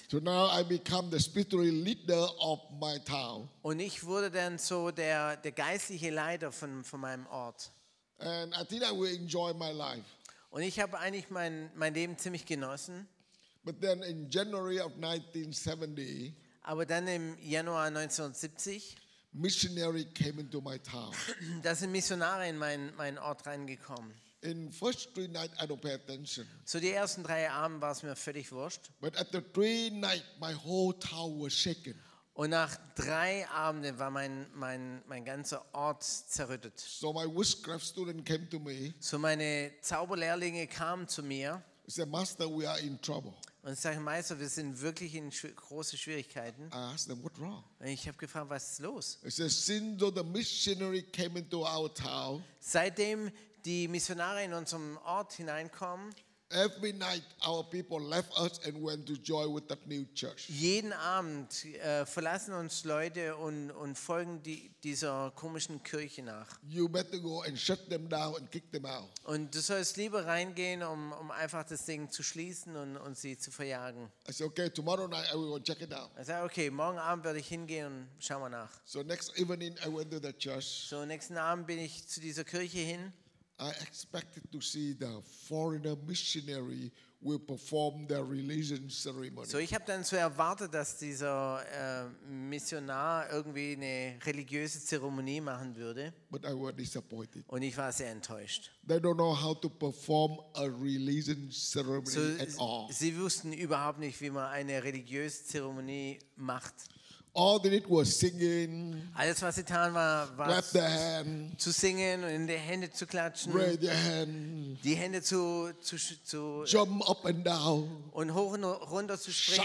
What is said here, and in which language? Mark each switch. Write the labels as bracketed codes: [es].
[en] So now I become the spiritual leader of my town. [de] Und ich wurde dann so der geistliche Leiter von meinem Ort. [en] And I think I will enjoy my life. [de] Und ich habe eigentlich mein Leben ziemlich genossen. [en] But then in January of 1970. [de] Aber dann im Januar 1970. [en] Missionary came into my town. [de] Da sind Missionare in meinen Ort reingekommen. [en] In first 3 nights I don't pay attention. [de] So die ersten 3 Abende war es mir völlig wurscht. [en] But at the 3 nights my whole town was shaken. [de] Und nach 3 Abenden war mein ganzer Ort zerrüttet. [en] So my witchcraft student came to me. [de] So meine Zauberlehrlinge kamen zu mir. [en] Said, Master, we are in trouble. [de] Und ich sage, Meister, wir sind wirklich in große Schwierigkeiten. [en] I asked them, what's wrong? [de] Und ich habe gefragt, was ist los? [en] Said, since the missionary came into our town, [de] seitdem die Missionare in unserem Ort hineinkommen, [en] every night our people left us and went to join with that new church. [de] Jeden Abend verlassen uns Leute und folgen dieser komischen Kirche nach. [en] You better go and shut them down and kick them out. [de] Und du sollst lieber reingehen, um einfach das Ding zu schließen und sie zu verjagen. [en] I said, okay, tomorrow night I will go check it out. [de] Ich sage, okay, morgen Abend werde ich hingehen und schauen wir nach. [en] So next evening I went to the church. [de] So nächsten Abend bin ich zu dieser Kirche hin. [en] I expected to see the foreigner missionary will perform their religion ceremony. [de] So ich habe dann so erwartet, dass dieser Missionar irgendwie eine religiöse Zeremonie machen würde. [en] But I was disappointed. [de] Und ich war sehr enttäuscht. [en] They don't know how to perform a religion ceremony so at all. [de] Sie wussten überhaupt nicht, wie man eine religiöse Zeremonie macht. [en] All they did was singing. [de] Alles was sie taten war [en] clap the hand, [de] zu singen und in die Hände zu klatschen. [en] Raise your hand, [de] die Hände zu [en] jump up and down [de] und hoch und runter zu springen.